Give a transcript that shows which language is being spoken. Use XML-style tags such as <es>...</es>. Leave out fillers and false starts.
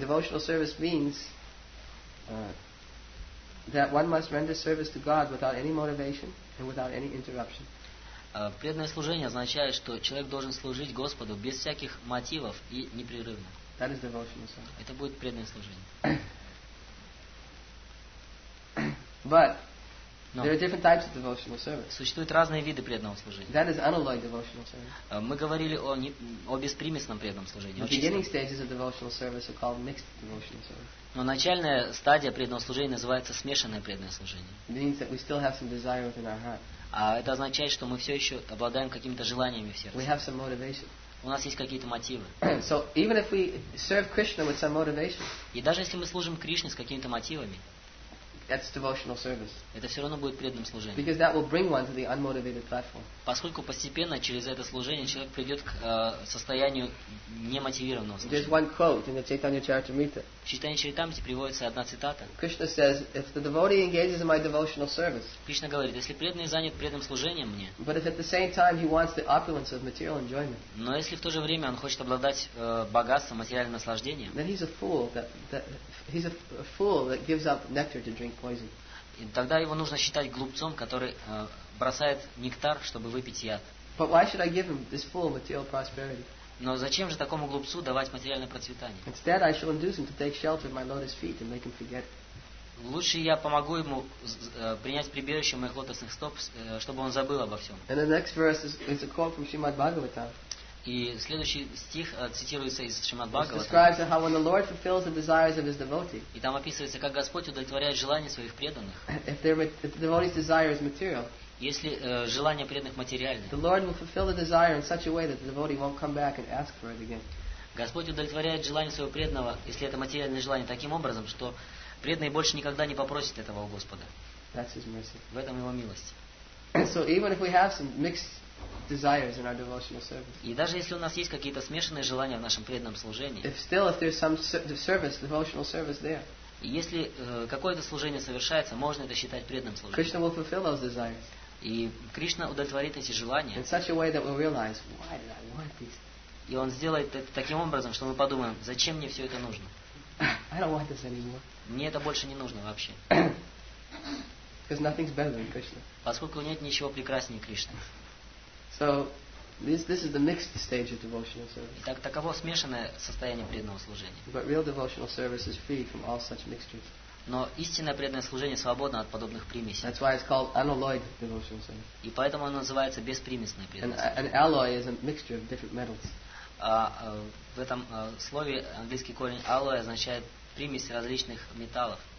<en>Devotional service means that one must render service to God without any motivation and without any interruption.</en> <ru>Преданное служение означает, что человек должен служить Господу без всяких мотивов и непрерывно.</ru> <en>That is devotional service.</en> <ru>Это будет преданное служение.</ru> <en>But there are different types of devotional service.</en> <ru>Существуют разные виды преданного служения.</ru> <en>That is unalloyed devotional service.</en> <ru>Мы говорили о беспримесном преданном служении.</ru> <en>The beginning stages of devotional service are called mixed devotional service.</en> <ru>Но начальная стадия преданного служения называется смешанное преданное служение.</ru> <en>It means that we still have some desire within our heart.</en> <ru>А это означает, что мы все еще обладаем какими-то желаниями в сердце.</ru> <en>We have some motivation.</en> <ru>У нас есть какие-то мотивы.</ru> <en>So even if we serve Krishna with some motivation.</en> <ru>И даже если мы служим Кришне с какими-то мотивами.</ru> <en>That's devotional service.</en> <ru>Это все равно будет преданным служением.</ru> <en>Because that will bring one to the unmotivated platform.</en> <ru>Поскольку постепенно через это служение человек придет к состоянию немотивированного служения.</ru> <en>There's one quote in the Chaitanya Charitamrita.</en> <ru>В Чайтанья Чаритамрите приводится одна цитата.</ru> <en>Krishna says, if the devotee engages in my devotional service.</en> <ru>Кришна говорит, если преданный занят преданным служением мне.</ru> <en>But if at the same time he wants the opulence of material enjoyment.</en> <ru>Но если в то же время он хочет обладать богатством, материальным наслаждением.</ru> <en>Then he's a fool that gives up nectar to drink.</en> <ru>И тогда его нужно считать глупцом, который бросает нектар, чтобы выпить яд.</ru> <en>But why should I give him this full material prosperity?</en> <ru>Но зачем же такому глупцу давать материальное процветание?</ru> <en>Instead, I shall induce him to take shelter at my lotus feet and make him forget.</en> <ru>Лучше я помогу ему принять прибежище моих лотосных стоп, чтобы он забыл обо всем.</ru> <en>And the next verse is a quote from Srimad Bhagavatam.</en> <ru>И следующий стих цитируется из Шримад Бхагаватам.</ru> <en>Describes how when the Lord fulfills the desires of his devotee.</en> <ru>И там описывается, как Господь удовлетворяет желания своих преданных.</ru> <en>If the devotee's desire is material.</en> <ru>Если желания преданных материальны.</ru> <en>The Lord will fulfill the desire in such a way that the devotee won't come back and ask for it again.</en> <ru>Господь удовлетворяет желание своего преданного, если это материальное желание, таким образом, что преданный больше никогда не попросит этого у Господа.</ru> <en>That's his mercy.</en> <ru>В этом его милость.</ru> <en>So even if we have some mixed desires in our devotional service.</en> <ru>И даже если у нас есть какие-то смешанные желания в нашем преданном служении.</ru> <en>If still if there's some service, devotional service there.</en> <ru>И если какое-то служение совершается, можно это считать преданным служением.</ru> <en>Krishna will fulfill those desires.</en> <ru>И Кришна удовлетворит эти желания.</ru> <en>In such a way that we realize, why did I want this?</en> <ru>И он сделает это таким образом, что мы подумаем, зачем мне все это нужно?</ru> <en>I don't want this anymore.</en> <ru>Мне это больше не нужно вообще.</ru> <en>Because nothing's better than Krishna.</en> <ru>Поскольку нет ничего прекраснее Кришны.</ru> <en>So this is the mixed stage of devotional service.</en> <ru>Итак, таково смешанное состояние преданного служения.</ru> <en>But real devotional service is free from all such mixtures.</en> <ru>Но истинное преданное служение свободно от подобных примесей.</ru> <en>That's why it's called unalloyed devotional service.</en> <ru>И поэтому оно называется беспримесное преданное служение.</ru> <en>An alloy is a mixture of different metals.</en> <ru>В этом слове английский корень alloy означает примесь различных металлов.</ru>